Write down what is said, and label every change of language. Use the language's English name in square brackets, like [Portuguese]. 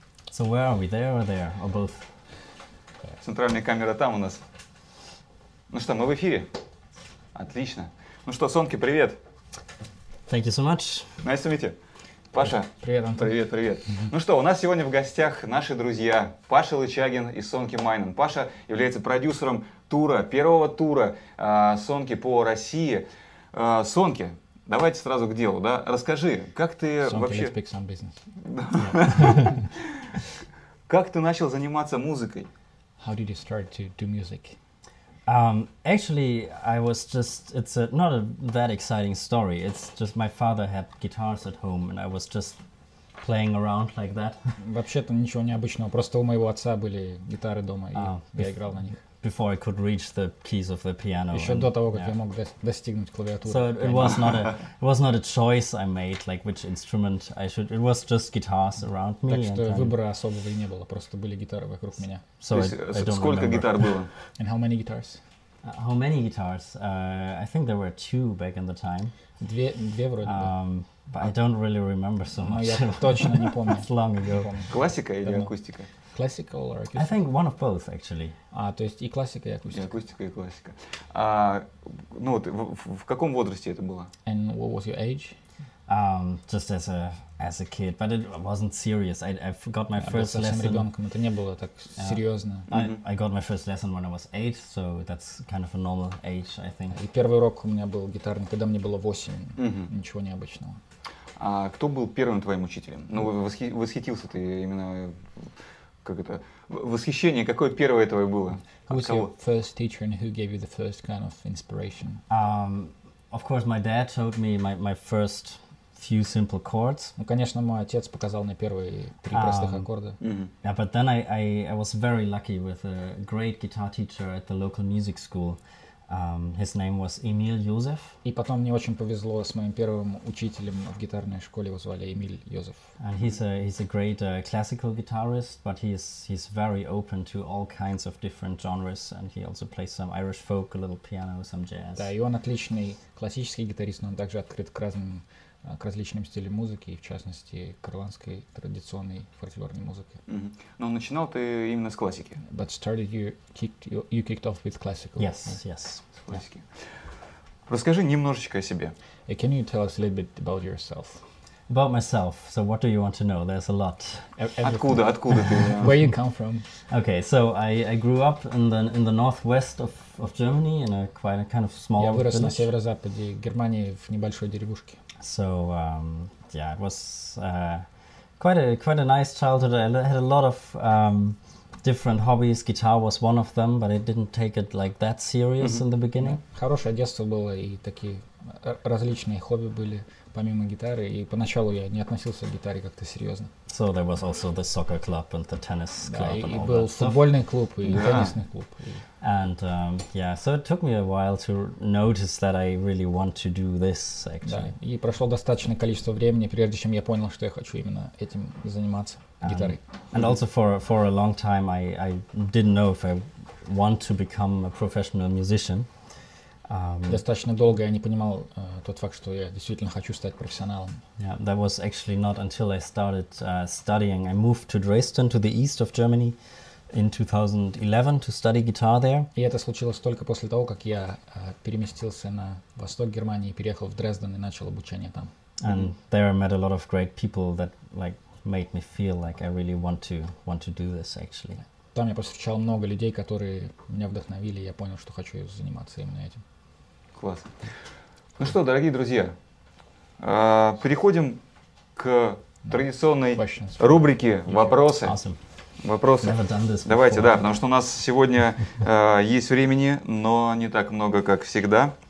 [English] So where are we, there or there, or both? [Russian] Центральная камера там у нас. Ну что, мы в эфире? Отлично. Ну что, Сонке, привет! [English] Thank you so much. Nice to meet you. Паша, [Russian] привет, Антон. Привет, привет. Ну что, у нас сегодня в гостях наши друзья Паша Лычагин и Сонке Мэйнен. Паша является продюсером тура, первого тура Сонке по России. Сонке, давайте сразу к делу, да? Расскажи, как ты Сонке, вообще... [English] Сонке, let's pick some business. [Russian] Как ты начал заниматься музыкой? [English] How did you start to do music? Actually, I was just, it's a, not a that exciting story, it's just my father had guitars at home, and I was just playing around like that. [Russian] Вообще-то ничего необычного, просто у моего отца были гитары дома, и я играл на них. [English] Before I could reach the keys of the piano. [Russian] Еще до того, как я мог достигнуть клавиатуры. [English] So it was not a choice I made, like which instrument I should, it was just guitars around me. [Russian] Так что выбора особого и не было, просто были гитары вокруг меня. [English] So [Russian] сколько гитар было? [English] And how many guitars? How many guitars? I think there were two back in the time. [Russian] Две вроде бы. [English] But I don't really remember so much. [Russian] Я точно не помню. [English] It's long ago. [Russian] Классика или акустика? [English] Classical or acoustic? I think one of both, actually. [Russian] А, то есть и классика, и акустика. И акустика, и классика. А, ну вот, в каком возрасте это было? [English] And what was your age? Just as a as a kid, but it wasn't serious. I got my first lesson when I was 8, so that's kind of a normal age, I think. [Russian] И первый урок у меня был гитарный, когда мне было 8. Mm-hmm. Ничего необычного. А кто был первым твоим учителем? Ну, восхитился ты именно, как это, восхищение, какое первое твое было? [English] Who's your first teacher and who gave you the first kind of inspiration? Of course, my dad showed me my first few simple chords. [Russian] Ну, конечно, мой отец показал мне первые три простых аккорда. Mm-hmm. [English] Yeah, but then I was very lucky with a great guitar teacher at the local music school. His name was Emil Josef. [Russian] И потом мне очень повезло с моим первым учителем в гитарной школе, его звали Эмиль Йозеф. [English] And he's a great classical guitarist, but he's very open to all kinds of different genres, and he also plays some Irish folk, a little piano, some jazz. [Russian] Да, и он отличный классический гитарист, но он также открыт к различным стилям музыки, в частности, к ирландской традиционной фольклорной музыке. Mm-hmm. Но начинал ты именно с классики. [English] But started you kicked off with classical. Yes, right? Yes. [Russian] С классики. Yeah. Расскажи немножечко о себе. [English] Can you tell us a little bit about yourself? About myself. So what do you want to know? There's a lot. [Russian] Откуда ты? [English] Where you come from? Okay, so I grew up in the northwest of Germany in a quite a kind of small [Russian] village. Я вырос на северо-западе Германии в небольшой деревушке. [English] So yeah, it was quite a nice childhood. I had a lot of different hobbies. Guitar was one of them, but I didn't take it like that serious mm-hmm. in the beginning. [Russian] Хорошее детство было, и такие различные хобби были помимо гитары, и поначалу я не относился к гитаре как-то серьезно. [English] So there was also the soccer club and the tennis club, [Russian] да, [English] and all that. [Russian] Да, и был футбольный клуб и yeah. теннисный клуб. И... [English] And yeah, so it took me a while to notice that I really want to do this actually. Да, и прошло достаточное количество времени, прежде чем я понял, что я хочу именно этим заниматься, гитарой. And also for a long time I didn't know if I want to become a professional musician. [Russian] Достаточно долго я не понимал тот факт, что я действительно хочу стать профессионалом. [English] Yeah, that was actually not until I started studying. I moved to Dresden, to the east of Germany, in 2011 to study guitar there. [Russian] И это случилось только после того, как я переместился на восток Германии, переехал в Дрезден и начал обучение там. [English] And mm-hmm. there I met a lot of great people that like made me feel like I really want to do this actually. [Russian] Там я повстречал много людей, которые меня вдохновили, и я понял, что хочу заниматься именно этим. Класс. Ну что, дорогие друзья, переходим к традиционной рубрике «Вопросы». [English] Awesome. [Russian] Вопросы. Давайте, да, потому что у нас сегодня есть времени, но не так много, как всегда.